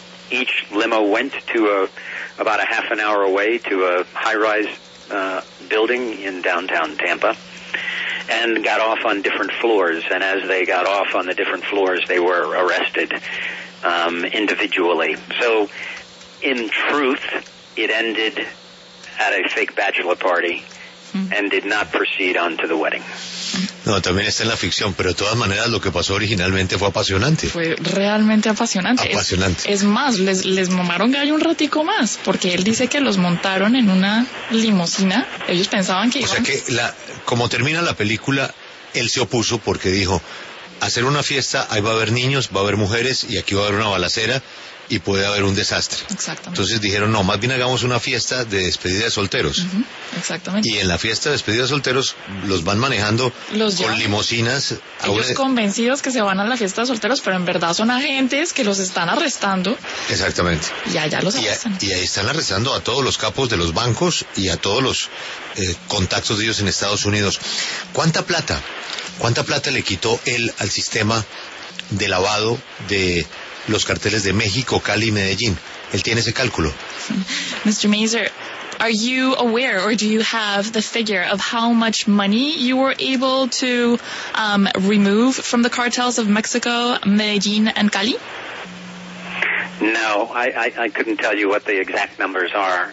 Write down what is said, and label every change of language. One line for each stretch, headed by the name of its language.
English: Each limo went to about a half an hour away to a high-rise building in downtown Tampa and got off on different floors. And as they got off on the different floors, they were arrested individually. So in truth, it ended at a fake bachelor party and did not proceed on to the wedding.
Spanish: No, también está en la ficción, pero de todas maneras lo que pasó originalmente fue apasionante. Fue realmente apasionante. Apasionante. Es más, les mamaron gallo un ratico más, porque él dice que los montaron en una limusina. Ellos pensaban que iban... O sea que, como termina la película, él se opuso porque dijo, hacer una fiesta, ahí va a haber niños, va a haber mujeres, y aquí va a haber una balacera, y puede haber un desastre. Exactamente. Entonces dijeron, no, más bien hagamos una fiesta de despedida de solteros. Uh-huh. Exactamente. Y en la fiesta de despedida de solteros los van manejando los con limusinas. Ellos convencidos que se van a la fiesta de solteros, pero en verdad son agentes que los están arrestando. Exactamente. Y allá los arrestan. Y ahí están arrestando a todos los capos de los bancos y a todos los contactos de ellos en Estados Unidos. ¿Cuánta plata le quitó él al sistema de lavado de... los carteles de México, Cali y Medellín? Él tiene ese cálculo.
English: Mr. Mazur, are you aware or do you have the figure of how much money you were able to remove from the cartels of Mexico, Medellín and Cali? No, I couldn't tell you what the exact numbers are.